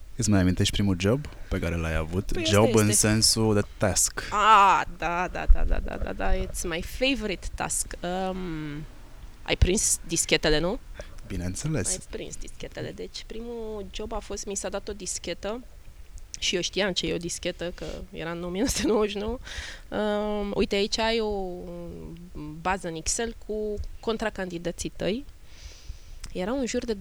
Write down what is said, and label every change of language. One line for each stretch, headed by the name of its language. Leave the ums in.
Romanian: Îți mai amintești primul job pe care l-ai avut? Păi este, job este în este. sensul de task. Ah, da, da, da, da, da, da, da,
English: it's my favorite task.
Romanian: Um, ai prins dischetele, nu? Bineînțeles. Ai prins dischetele. Deci primul job a fost, mi s-a dat o dischetă și eu știam ce e o dischetă, că era în 1999. Um, uite, aici ai o bază în Excel cu contracandidații tăi. Erau în jur de...